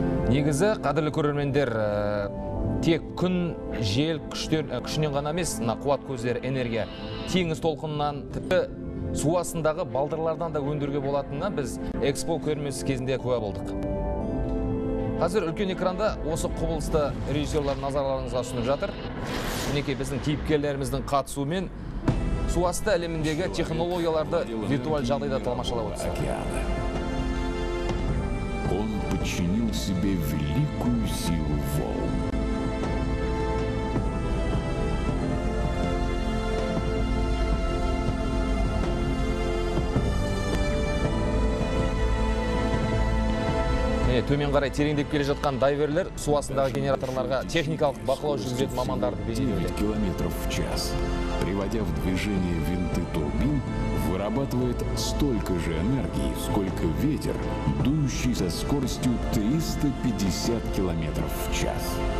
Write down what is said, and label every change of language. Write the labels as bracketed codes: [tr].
[kk] Негізі, қадірлі көрермендер, тек күн, жел, күшінен ғана емес, қуат көздері, энергия, теңіз толқынынан, тіпті су астындағы балдырлардан да өндіруге болатынына біз экспо көрмесі кезінде куә болдық. Қазір үлкен экранда осы құбылысты режиссерлер назарларыңызға ұсынып жатыр. Мінекей біздің кейіпкерлеріміздің қатысуымен су асты әлеміндегі технологияларды виртуал жағдайда тамашалап отырсыз. [ru] Он подчинил себе великую силу волн. [kk] Төмен қарай тереңдеп келе жатқан дайверлер су астындағы генераторларға техникалық бақылау жүргізетін мамандарды бейнелейді. [ru] 9 км в час, приводя в движение винты турбин, вырабатывает столько же энергии, сколько ветер, дующий со скоростью 350 км в час.